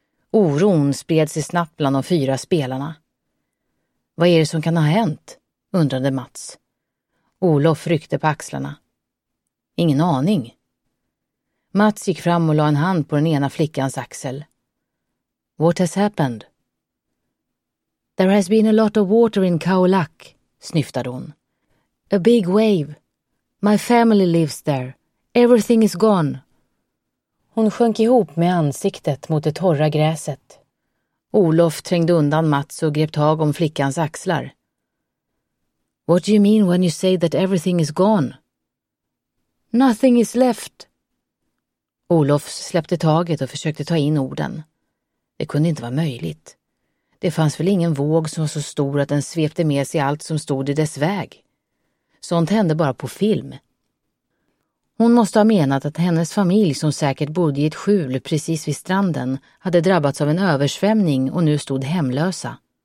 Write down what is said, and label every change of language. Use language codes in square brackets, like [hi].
[sv] Oron spred sig snabbt bland de fyra spelarna. Vad är det som kan ha hänt? Undrade Mats. Olof ryckte på axlarna. Ingen aning. Mats gick fram och la en hand på den ena flickans axel. [en] What has happened? There has been a lot of water in Khao Lak, snyftade hon. A big wave. My family lives there. Everything is gone. [sv] Hon sjönk ihop med ansiktet mot det torra gräset. Olof trängde undan Mats och grep tag om flickans axlar. [en] What do you mean when you say that everything is gone? Nothing is left. [sv] Olof släppte taget och försökte ta in orden. Det kunde inte vara möjligt. Det fanns väl ingen våg som var så stor att den svepte med sig allt som stod i dess väg. Sånt hände bara på film. Hon måste ha menat att hennes familj som säkert bodde i ett skjul precis vid stranden hade drabbats av en översvämning och nu stod hemlösa.